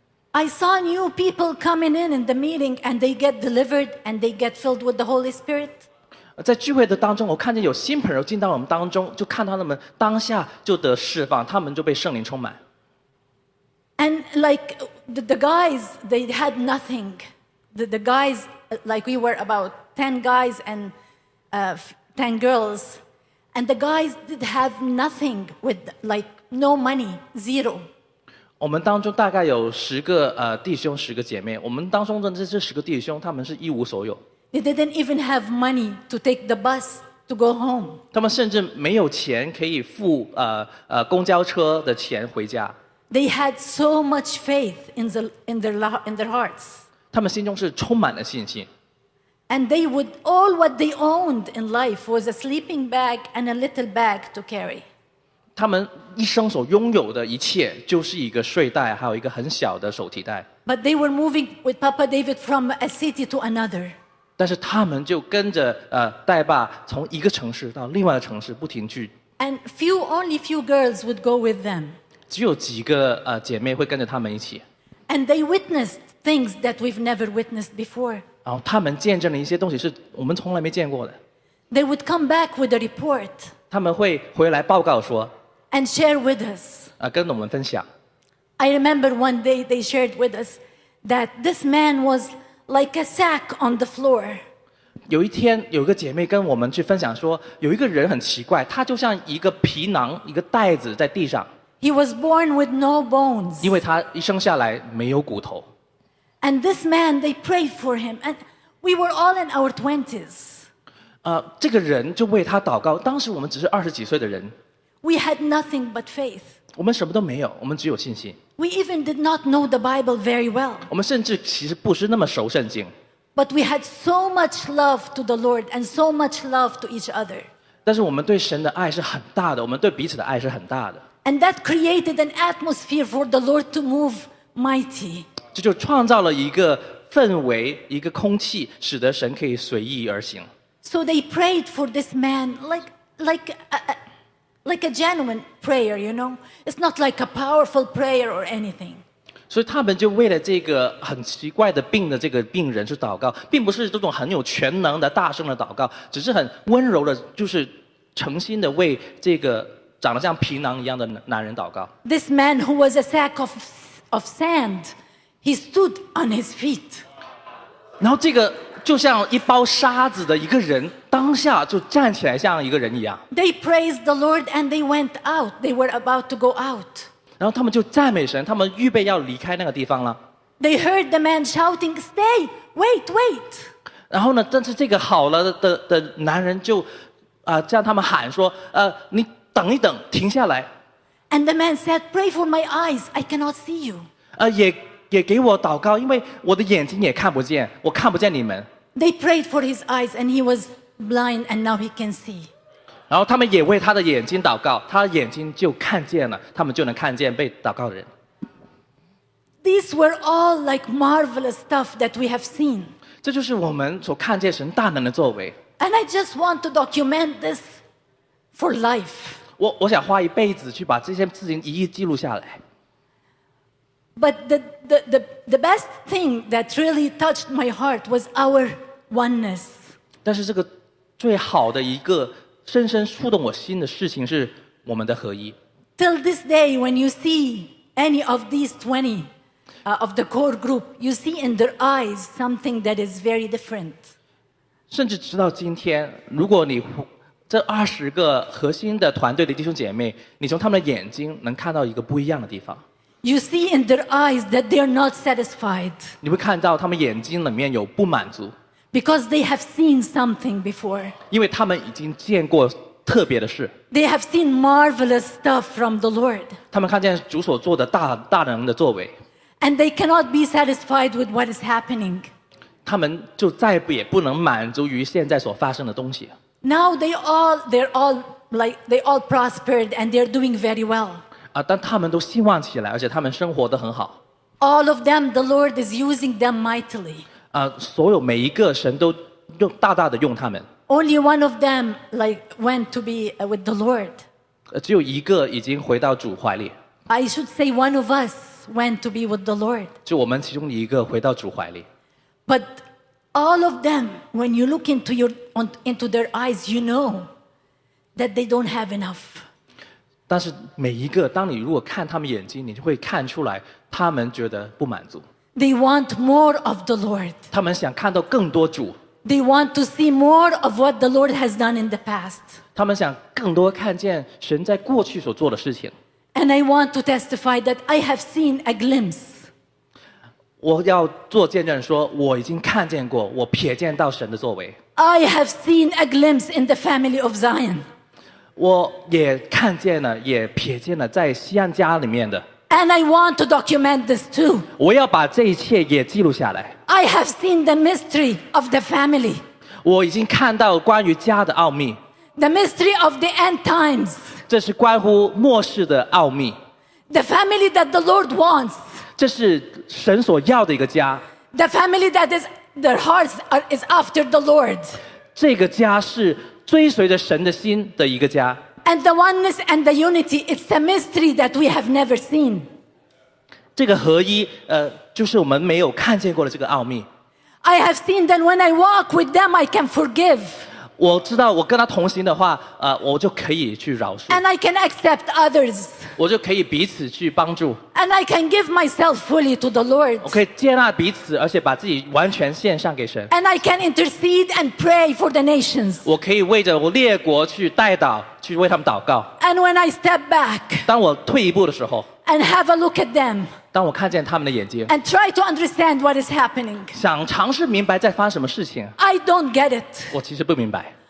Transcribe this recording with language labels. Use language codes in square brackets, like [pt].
[en] I saw new people coming in the meeting and they get delivered and they get filled with the Holy Spirit. [zh] 在聚会的当中，我看见有新朋友进到我们当中，就看到他们当下就得释放，他们就被圣灵充满。 [en] And like the guys, they had nothing. The guys, like we were about 10 guys and 10 girls, and the guys did have nothing with like no money, zero. [zh] 我们当中大概有十个弟兄，十个姐妹。我们当中的这十个弟兄，他们是一无所有。 [en] They didn't even have money to take the bus to go home. [zh] 他们甚至没有钱可以付公交车的钱回家。 [en] They had so much faith in their hearts. [zh] 他们心中是充满了信心。 [en] And they would all what they owned in life was a sleeping bag and a little bag to carry. [zh] 他们一生所拥有的一切就是一个睡袋还有一个很小的手提袋。 [en] But they were moving with Papa David from a city to another. [zh] 但是他们就跟着带爸从一个城市到另外的城市不停去。 [en] And few, only few girls would go with them. [zh] 只有几个姐妹会跟着他们一起。 [en] And they witnessed things that we've never witnessed before. [zh] 然后他们见证了一些东西是我们从来没见过的。 [en] They would come back with a report. [zh] 他们会回来报告说 [en] ，and share with us， [zh] 跟我们分享。 [en] I remember one day they shared with us that this man was like a sack on the floor。 [zh] 有一天，有一个姐妹跟我们去分享说，有一个人很奇怪，他就像一个皮囊，一个袋子在地上。 [en] He was born with no bones。 [zh] 因为他一生下来没有骨头。 [en] And this man, they prayed for him, and we were all in our twenties。 [zh] 这个人就为他祷告。当时我们只是二十几岁的人。 [en] We had nothing but faith. [zh] 我们什么都没有，我们只有信心。 [en] We even did not know the Bible very well. [zh] 我们甚至其实不是那么熟圣经。 [en] But we had so much love to the Lord and so much love to each other. [zh] 但是我们对神的爱是很大的，我们对彼此的爱是很大的。 [en] And that created an atmosphere for the Lord to move mighty. [zh] 这就创造了一个氛围，一个空气，使得神可以随意而行。 [en] So they prayed for this man like a genuine prayer, you know. It's not like a powerful prayer or anything. [zh] 所以他们就为了这个很奇怪的病的这个病人去祷告，并不是这种很有全能的大声的祷告，只是很温柔的，就是诚心的为这个长得像皮囊一样的男人祷告。 [en] This man who was a sack of sand, he stood on his feet. [zh] 然后这个。就像一包沙子的一个人，当下就站起来，像一个人一样。 [en] They praised the Lord and they went out. They were about to go out. [zh] 然后他们就赞美神，他们预备要离开那个地方了。 [en] They heard the man shouting, "Stay, wait, wait." [zh] 然后呢，但是这个好了的男人就，向他们喊说，你等一等，停下来。 [en] And the man said, "Pray for my eyes. I cannot see you." [zh] 也给我祷告，因为我的眼睛也看不见，我看不见你们。 [en] They prayed for his eyes, and he was blind, and now he can see. [zh] 然后他们也为他的眼睛祷告，他眼睛就看见了，他们就能看见被祷告的人。 [en] These were all like marvelous stuff that we have seen. [zh] 这就是我们所看见神大能的作为。 [en] And I just want to document this for life. [zh] 我想花一辈子去把这些事情一一记录下来。 [en] But the best thing that really touched my heart was our oneness. [zh] 但是这个最好的一个深深触动我心的事情是我们的合一。 [en] Till this day, when you see any of these 20 of the core group, you see in their eyes something that is very different. [zh] 甚至直到今天，如果你这二十个核心的团队的弟兄姐妹，你从他们的眼睛能看到一个不一样的地方。 [en] You see in their eyes that they are not satisfied. [zh] 你会看到他们眼睛里面有不满足。 [en] Because they have seen something before. [zh] 因为他们已经见过特别的事。 [en] They have seen marvelous stuff from the Lord. [zh] 他们看见主所做的大能的作为。 [en] And they cannot be satisfied with what is happening. [zh] 他们就再也不能满足于现在所发生的东西。 [en] Now they all prospered and they're doing very well. [zh] 但他们都兴旺起来，而且他们生活得很好。 [en] All of them, the Lord is using them mightily. [zh] 所有每一个神都用大大的用他们。 [en] Only one of them, like, went to be with the Lord. [zh] 只有一个已经回到主怀里。 [en] I should say one of us went to be with the Lord. [zh] 就我们其中一个回到主怀里。 [en] But all of them, when you look into their eyes, you know that they don't have enough. [zh] 但是每一个，当你如果看他们眼睛，你就会看出来，他们觉得不满足。 [en] They want more of the Lord. [zh] 他们想看到更多主。 [en] They want to see more of what the Lord has done in the past. [zh] 他们想更多看见神在过去所做的事情。 [en] And I want to testify that I have seen a glimpse. [zh] 我要做见证说，我已经看见过，我瞥见到神的作为。 [en] I have seen a glimpse in the family of Zion. [zh] 我也看见了，也瞥见了在锡安家里面的。 [en] And I want to document this too. [zh] 我要把这一切也记录下来。 [en] I have seen the mystery of the family. [zh] 我已经看到关于家的奥秘。 [en] The mystery of the end times. [zh] 这是关乎末世的奥秘。 [en] The family that the Lord wants. [zh] 这是神所要的一个家。 [en] The family that is their hearts is after the Lord. [zh] 这个家是追随着神的心的一个家。 [en] And the oneness and the unity, it's a mystery that we have never seen. [zh] 这个合一，就是我们没有看见过的这个奥秘。 [en] I have seen that when I walk with them, I can forgive. [zh] 我知道我跟他同行的话，我就可以去饶恕。 [en] And I can accept others. [zh] 我就可以彼此去帮助。 [en] And I can give myself fully to the Lord. [zh] 我可以接纳彼此，而且把自己完全献上给神。 [en] And I can intercede and pray for the nations. [zh] 我可以为着我列国去代祷。去为他们祷告。 [en] And when I step back, [zh] 当我退一步的时候， [en] and have a look at them, [zh] 当我看见他们的眼睛， [en] and try to understand what is happening, [zh] 想尝试明白在发生什么事情， [en] I don't get it, [zh] 我其实不明白，